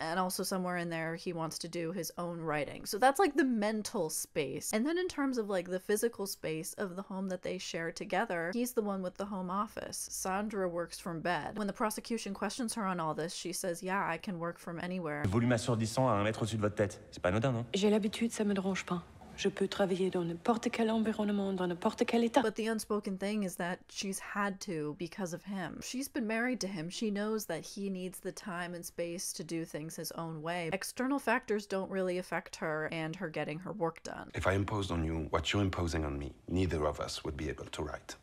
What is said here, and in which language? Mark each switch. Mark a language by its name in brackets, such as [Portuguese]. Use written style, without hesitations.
[English] And also somewhere in there, he wants to do his own writing. So that's like the mental space. And then in terms of like the physical space of the home that they share together, he's the one with the home office. Sandra works from bed. When the prosecution questions her on all this, she says, yeah, I can work from anywhere. [French] Le volume assourdissant à un mètre au-dessus de votre tête, c'est pas anodin, non? J'ai l'habitude, ça me dérange pas. Je peux travailler dans n'importe quel environnement, dans n'importe quel état. [English] But the unspoken thing is that she's had to because of him. She's been married to him. She knows that he needs the time and space to do things his own way. External factors don't really affect her and her getting her work done. If I imposed on you what you're imposing on me, neither of us would be able to write.